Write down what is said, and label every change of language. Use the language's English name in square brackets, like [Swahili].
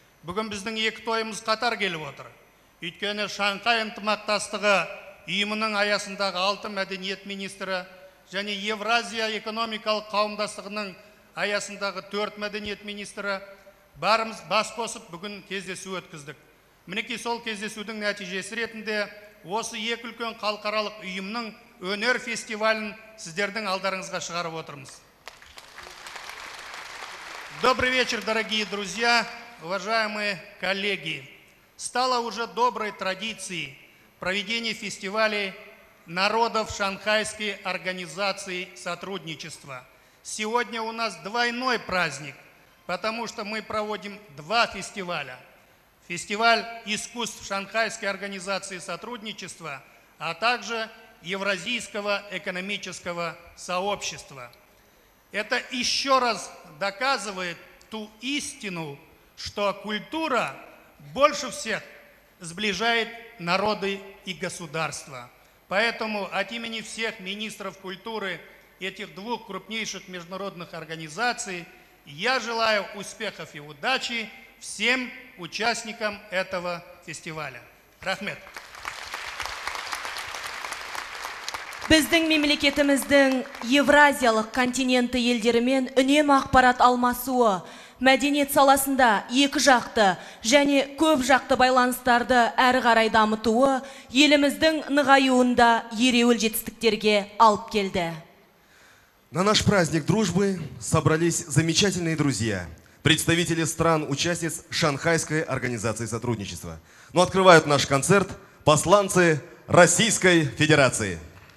[Kazakh] Бүгін біздің екі тойымыз қатар келіп отыр. Өйткені Шанхай ынтымақтастығы ұйымының аясындағы алты мәдениет министрі және Евразия экономикалық қауымдастығының аясындағы төрт мәдениет министрі барымыз бас қосып бүгін кездесу өткіздік. Мінекей сол кездесудің нәтижесі ретінде осы екі үлкен халықаралық ұйымның өнер фестивалін сіздердің алдарыңызға шығарып отырмыз. [Russian] Добрый вечер, дорогие друзья, уважаемые коллеги. Стало уже доброй традицией проведения фестивалей народов Шанхайской организации сотрудничества. Сегодня у нас двойной праздник, потому что мы проводим два фестиваля. Фестиваль искусств Шанхайской организации сотрудничества, а также Евразийского экономического сообщества. Это еще раз доказывает ту истину, что культура больше всех сближает народы и государства. Поэтому от имени всех министров культуры этих двух крупнейших международных организаций я желаю успехов и удачи всем участникам этого фестиваля. [Kazakh] Рахмет! Біздің мемлекетіміздің Евразиялық континенті елдерімен үнем ақпарат алмасуы, мәдениет саласында екі жақты және көп жақты байланыстарды әрі қарай дамытуы еліміздің нығаюында ереуіл жетістіктерге алып келді. [Russian] На наш праздник дружбы собрались замечательные друзья, представители стран-участниц Шанхайской организации сотрудничества. Открывают наш концерт посланцы Российской Федерации.